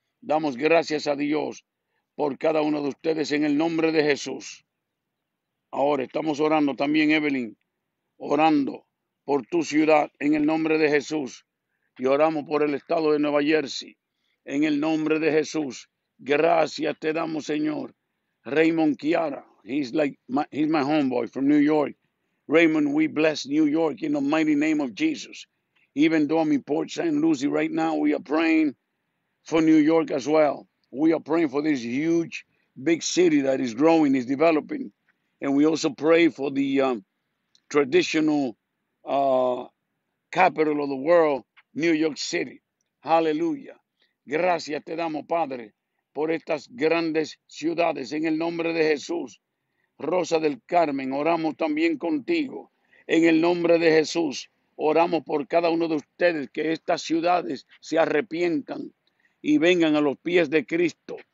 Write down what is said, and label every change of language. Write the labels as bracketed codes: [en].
[es] Damos gracias a Dios por cada uno de ustedes en el nombre de Jesús. Ahora estamos orando también, Evelyn, orando por tu ciudad en el nombre de Jesús, y oramos por el estado de Nueva Jersey en el nombre de Jesús. Gracias te damos, Señor. [en] Raymond Kiara, he's my homeboy from New York. Raymond, we bless New York in the mighty name of Jesus. Even though I'm in Port St. Lucie right now, we are praying for New York as well. We are praying for this huge, big city that is growing, is developing. And we also pray for the traditional capital of the world, New York City. Hallelujah. [es] Gracias te damos, Padre, por estas grandes ciudades en el nombre de Jesús. Rosa del Carmen, oramos también contigo en el nombre de Jesús. Oramos por cada uno de ustedes, que estas ciudades se arrepientan y vengan a los pies de Cristo.